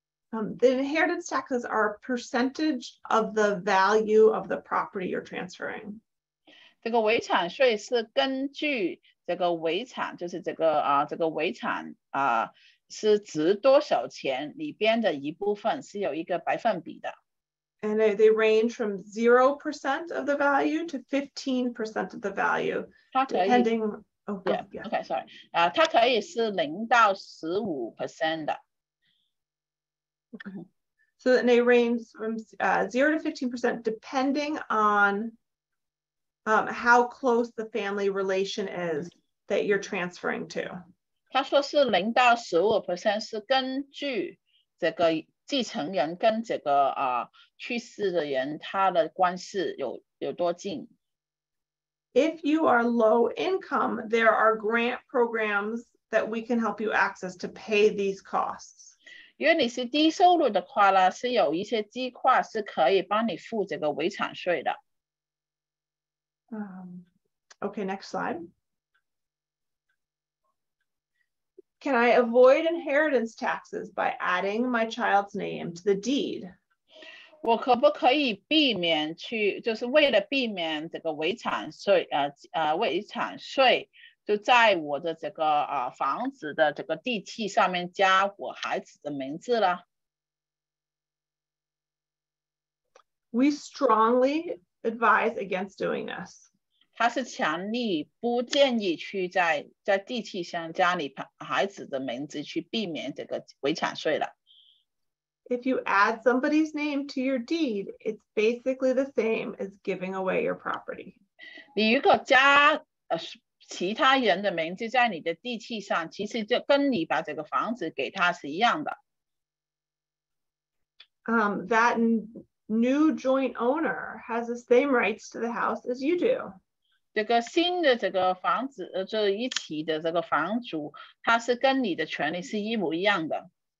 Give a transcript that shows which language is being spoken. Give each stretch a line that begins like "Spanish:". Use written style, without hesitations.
English: The inheritance taxes are a percentage of the value of the property you're transferring.
Chinese: 这个遗产税是根据这个遗产，就是这个这个遗产是值多少钱里边的一部分，是有一个百分比的。
English: And they range from 0% of the value to 15% of the value, depending. Okay, sorry.
Chinese: 它可以是0-15% 的。
English: So that they range from 0-15% depending on how close the family relation is that you're transferring to.
Chinese: 他说是0-15% 是根据这个。继承人跟这个去世的人他的关系有多近。
English: If you are low income, there are grant programs that we can help you access to pay these costs.
Chinese: 如果你是低收入的话呢，是有一些计划是可以帮你付这个遗产税的。
English: Okay, next slide. Can I avoid inheritance taxes by adding my child's name to the deed?
Chinese: 我可不可以避免去，就是为了避免这个遗产税，遗产税就在我的这个房子的这个地契上面加我孩子的名字了？
English: We strongly advise against doing this.
Chinese: 他是强力不建议去在地契上加你孩子的名字去避免这个遗产税了。
English: If you add somebody's name to your deed, it's basically the same as giving away your property.
Chinese: 你如果加其他人的名字在你的地契上，其实就跟你把这个房子给他是一样的。
English: That new joint owner has the same rights to the house as you do.
Chinese: 这个新的这个房子，这一起的这个房主，他是跟你的权利是一模一样的。